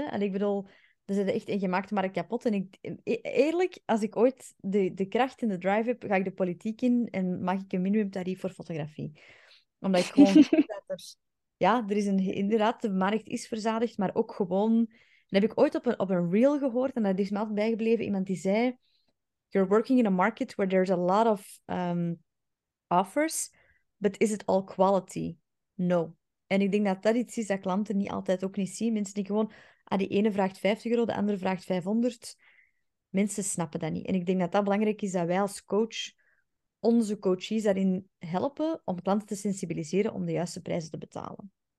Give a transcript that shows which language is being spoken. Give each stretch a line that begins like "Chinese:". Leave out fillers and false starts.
Dutch: En ik bedoel, er zitten echt in gemaakte markt kapot. En ik, eerlijk, als ik ooit de kracht en de drive heb, ga ik de politiek in en mag ik een minimumtarief voor fotografie. Omdat ik gewoon... ja, er is inderdaad, de markt is verzadigd, maar ook gewoon... Dat heb ik ooit op een reel gehoord, en dat is me altijd bijgebleven. Iemand die zei,
English: you're working in a market where there's a lot of offers, but is it all quality? No.
Dutch: En ik denk dat dat iets is dat klanten niet altijd ook niet zien. Mensen die gewoon... Ah, die ene vraagt €50, de andere vraagt 500. Mensen snappen dat niet. En ik denk dat dat belangrijk is dat wij als coach onze coachees daarin helpen om klanten te sensibiliseren om de juiste prijzen te betalen.